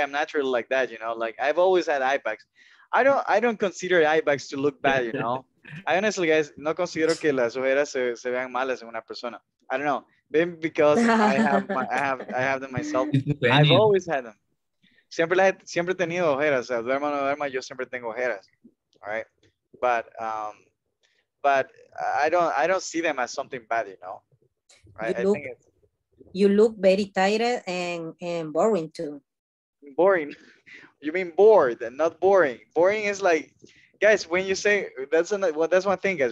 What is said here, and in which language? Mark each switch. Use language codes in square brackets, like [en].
[en] I'm natural like that, you know, like I've always had eye bags. I don't consider eye bags to look bad, you know. I honestly, guys, [es] no considero que las ojeras se vean malas en una persona. [en] I don't know, maybe because I have them myself. I've always had them. [es] Siempre he tenido ojeras. Duerma o no duerma, yo siempre tengo ojeras. [en] All right, but I don't see them as something bad, you know. You look very tired and boring too. Boring. You mean bored and not boring. Boring is like, guys, when you say, that's one thing, guys.